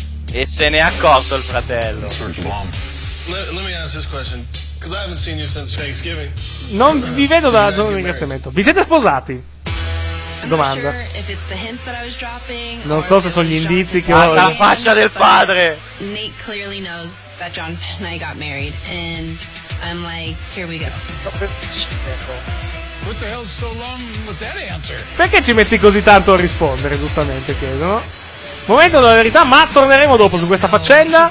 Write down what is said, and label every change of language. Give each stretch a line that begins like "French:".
Italian: E se ne è accorto il fratello.
English: Let me ask this question, because I haven't seen you since Thanksgiving.
Italian: Non vi vedo dal giorno di ringraziamento. Vi siete sposati? Domanda. Non so se sono gli indizi che ho. La faccia del padre.
English: Nate clearly knows that Jonathan and I got married, and I'm like, here we go. What the hell's so long with that answer?
Italian: Perché ci metti così tanto a rispondere, giustamente chiedono. Momento della verità, ma torneremo dopo su questa faccenda.